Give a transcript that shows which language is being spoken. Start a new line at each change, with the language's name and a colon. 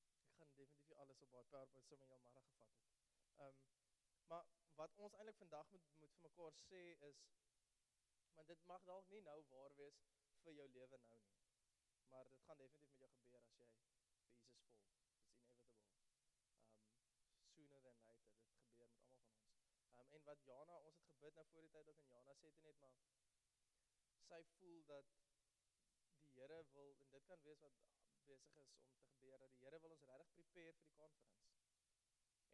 Afrikaans: Ek gaan definitief alles op baie PowerPoint som en jy al maar gevat het. Maar wat ons eintlik vandag moet vir mekaar sê is, want dit mag dalk nie nou waar wees vir jou lewe nou nie, maar dit gaan definitief met jou gebeur as jy vir Jesus volg.
English: It's inevitable. Sooner than later,
Afrikaans: dit gebeur met allemaal van ons. En wat Jana, ons het gebid nou voor die tyd ook, en Jana sê toe net, maar sy voel dat die Here wil, en dit kan wees wat besig is om te gebeur, dat die Here wil ons regtig prepare vir die conference.